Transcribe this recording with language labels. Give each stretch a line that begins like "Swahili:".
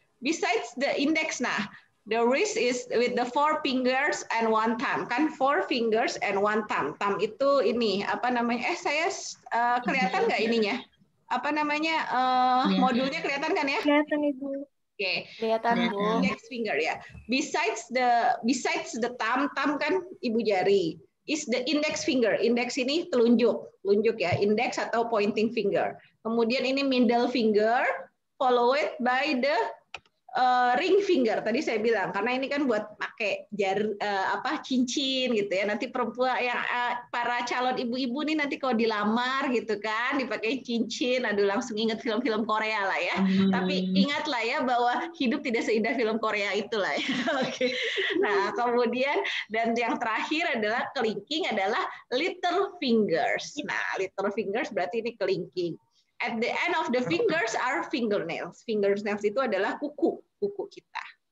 English: Besides the index, nah, the wrist is with the four fingers and one thumb. Kan four fingers and one thumb.
Indonesian: Thumb itu ini, apa namanya? Saya kelihatan nggak ininya? Apa namanya? Modulnya kelihatan kan ya? Kelihatan itu. Oke. Kelihatan, Bu.
English: Index finger ya. Besides the thumb, thumb
Indonesian: kan ibu jari.
English: Is the index finger. Index
Indonesian: ini telunjuk. Telunjuk ya.
English: Index atau pointing finger.
Indonesian: Kemudian ini
English: middle finger. Followed by the
Indonesian: ring finger tadi saya bilang, karena ini kan buat pakai cincin gitu ya. Nanti perempuan yang para calon ibu-ibu nih nanti kalau dilamar gitu kan dipakai cincin, aduh langsung inget film-film Korea lah ya. Tapi ingatlah ya bahwa hidup tidak seindah film Korea itulah ya. Okay. Nah, kemudian dan yang terakhir adalah kelingking adalah little fingers. Nah, little fingers berarti ini kelingking.
English: At the end of the fingers are fingernails.
Indonesian: Fingernails itu adalah kuku kita.